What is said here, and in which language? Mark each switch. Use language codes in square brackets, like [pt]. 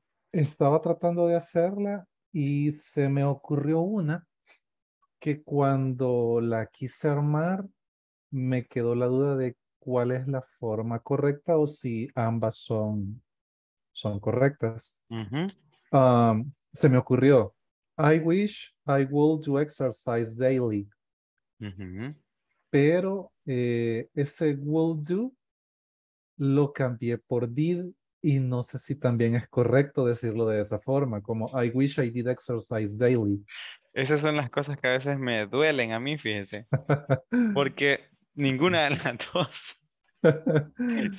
[es] Estaba tratando de hacerla y se me ocurrió una que cuando la quise armar me quedó la duda de cuál es la forma correcta o si ambas son correctas. Uh-huh. Se me ocurrió, [en] I wish I would do exercise daily. Uh-huh. [es] pero ese will do lo cambié por did y no sé si también es correcto decirlo de esa forma, como [en] I wish I did exercise daily. [es] Esas son las cosas que a veces me duelen a mí, fíjense, porque ninguna de las dos.